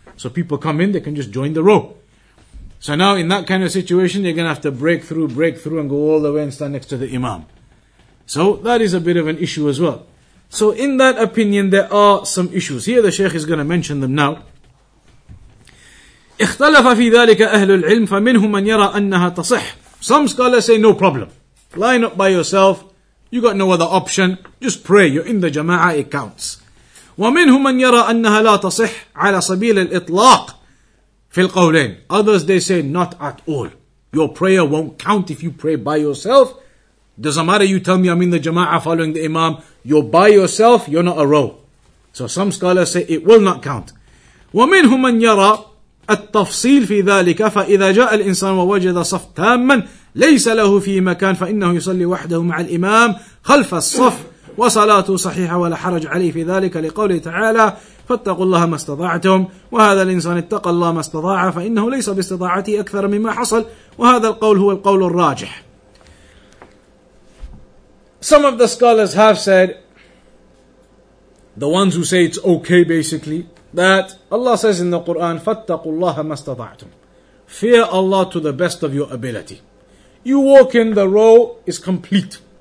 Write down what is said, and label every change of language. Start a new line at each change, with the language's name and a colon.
English: So people come in, they can just join the row. So now in that kind of situation, you're going to have to break through and go all the way and stand next to the imam. So that is a bit of an issue as well. So in that opinion, there are some issues. Here the Shaykh is going to mention them now.
Arabic: اختلف في ذلك أهل العلم فمنهم من يرى أنها تصح.
English: Some scholars say no problem. Line up by yourself. You got no other option. Just pray. You're in the jama'ah. It counts.
Arabic: ومنهم من يرى أنها لا تصح على سبيل الإطلاق في القولين.
English: Others they say not at all. Your prayer won't count if you pray by yourself. Doesn't matter. You tell me I'm in the jama'ah following the imam. You're by yourself. You're not a row. So some scholars say it will not count.
Arabic: ومنهم من يرى التفصيل في ذلك فإذا جاء الإنسان ووجد صف تاما ليس له في مكان فإنه يصلي وحده مع الإمام خلف الصف وصلاته صحيحة ولا حرج عليه في ذلك لقوله تعالى فاتقوا الله ما استطعتم وهذا الإنسان اتقى الله ما استطاع فإنه ليس باستطاعته أكثر مما حصل وهذا القول هو القول الراجح.
English: Some of the scholars have said, the ones who say it's okay basically, that Allah says in the Quran,
Arabic: فَاتَّقُوا اللَّهَ مَا اسْتَطَعْتُمْ.
English: Fear Allah to the best of your ability. You walk in, the row is complete.